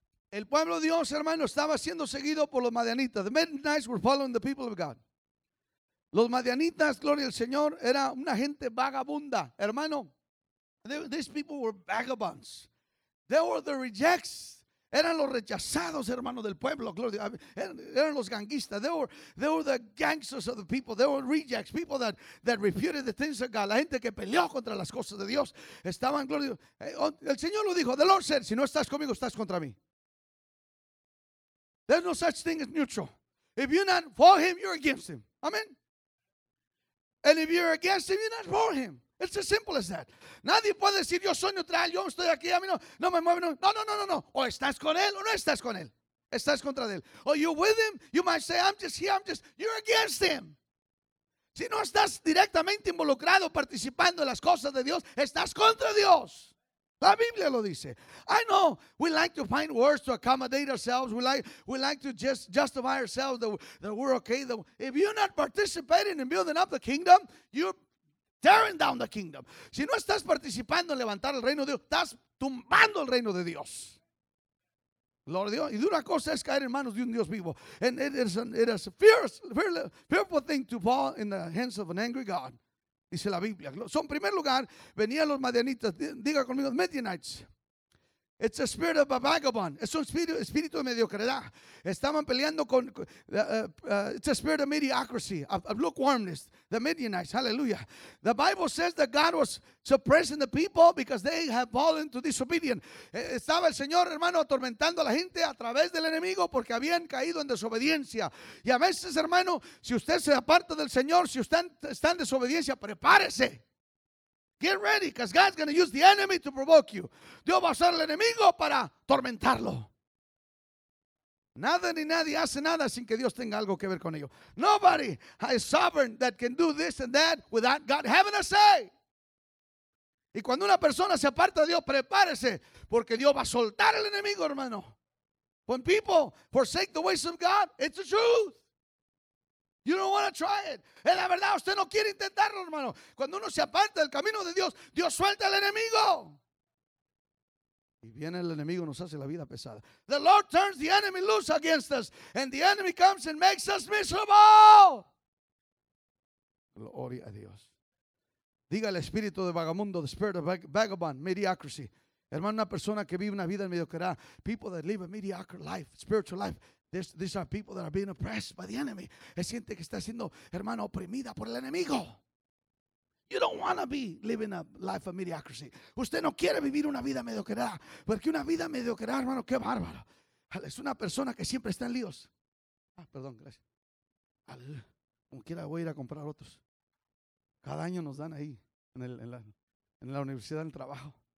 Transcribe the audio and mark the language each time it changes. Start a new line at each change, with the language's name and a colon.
Spanish: El pueblo de Dios, hermano, estaba siendo seguido por los madianitas.
English: The Midianites were following the people of God.
Spanish: Los madianitas, gloria al Señor, era una gente vagabunda, hermano.
English: These people were vagabonds. They were the rejects.
Spanish: Eran los rechazados, hermano, del pueblo, gloria. Eran los ganguistas.
English: They were the gangsters of the people. They were rejects, people that refuted the things of God.
Spanish: La gente que peleó contra las cosas de Dios. Estaban, gloria. El Señor lo dijo,
English: the Lord said,
Spanish: si no estás conmigo, estás contra mí.
English: There's no such thing as neutral. If you're not for him, you're against him. Amen. And if you're against him, you're not for him. It's as simple as that.
Spanish: Nadie puede decir, yo soy neutral, yo estoy aquí, a mí no me mueve. No. O estás con él o no estás con él. Estás contra él.
English: O you're with him, you might say, I'm just here, I'm just, you're against him.
Spanish: Si no estás directamente involucrado, participando en las cosas de Dios, estás contra Dios. La Biblia lo dice.
English: I know we like to find words to accommodate ourselves. We like to just justify ourselves that we're okay. If you're not participating in building up the kingdom, you're tearing down the kingdom.
Spanish: Si no estás participando en levantar el reino de Dios, estás tumbando el reino de Dios. Gloria a Dios. Y dura cosa es caer en manos de un Dios vivo.
English: And it is a fearful thing to fall in the hands of an angry God.
Spanish: Dice la Biblia. So, en primer lugar, venían los madianitas. Diga conmigo, Midianites.
English: It's a spirit of a vagabond.
Spanish: Es un espíritu de mediocridad. Estaban peleando con.
English: It's a spirit of mediocrity, of lukewarmness. The Midianites, hallelujah. The Bible says that God was suppressing the people because they have fallen to disobedience.
Spanish: Estaba el Señor, hermano, atormentando a la gente a través del enemigo porque habían caído en desobediencia. Y a veces, hermano, si usted se aparta del Señor, si usted está en desobediencia, prepárese.
English: Get ready, because God's going to use the enemy to provoke you.
Spanish: Dios va a usar al enemigo para atormentarlo. Nada ni nadie hace nada sin que Dios tenga algo que ver con ello.
English: Nobody is sovereign that can do this and that without God having a say.
Spanish: Y cuando una persona se aparta de Dios, prepárese, porque Dios va a soltar al enemigo, hermano.
English: When people forsake the ways of God, it's the truth. You don't want to try it.
Spanish: Es la verdad, usted no quiere intentarlo, hermano. Cuando uno se aparta del camino de Dios, Dios suelta al enemigo. Y viene el enemigo y nos hace la vida pesada.
English: The Lord turns the enemy loose against us. And the enemy comes and makes us miserable.
Spanish: Gloria a Dios. Diga el espíritu de vagabundo,
English: the spirit of vagabond, mediocrity.
Spanish: Hermano, una persona que vive una vida en mediocridad.
English: People that live a mediocre life, spiritual life. These are people that are being oppressed by the enemy.
Spanish: Es gente que está siendo, hermano, oprimida por el enemigo.
English: You don't want to be living a life of mediocrity.
Spanish: Usted no quiere vivir una vida mediocridad. Porque una vida mediocridad, hermano, qué bárbaro. Es una persona que siempre está en líos. Ah, perdón, gracias. Como quiera, voy a ir a comprar otros. Cada año nos dan ahí, en la universidad, en el trabajo.